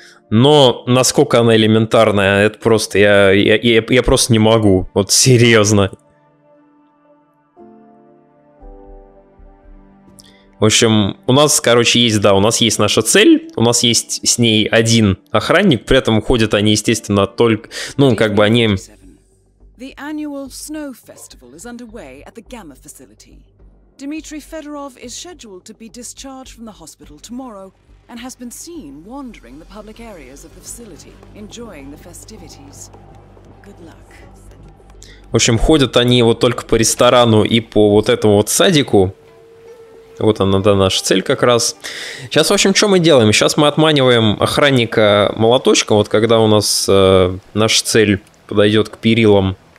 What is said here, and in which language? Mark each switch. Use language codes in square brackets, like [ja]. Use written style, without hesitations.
[ru] Но насколько она элементарная, это просто, я просто не могу, вот серьезно. В общем, у нас, короче, есть, да, у нас есть наша цель, у нас есть с ней один охранник, при этом ходят они, естественно, только, ну, как бы они... [en] The annual snow festival is underway at the Gamma facility. Dmitry Fedorov is scheduled to be discharged from the hospital tomorrow and has been seen wandering the public areas of the facility, enjoying the festivities. Good luck. [ru] В общем, ходят они вот только по ресторану и по вот этому вот садику. Вот она, да, наша цель как раз. Сейчас, в общем, что мы делаем? Сейчас мы отманиваем охранника молоточком, вот когда у нас наша цель подойдет к перилам.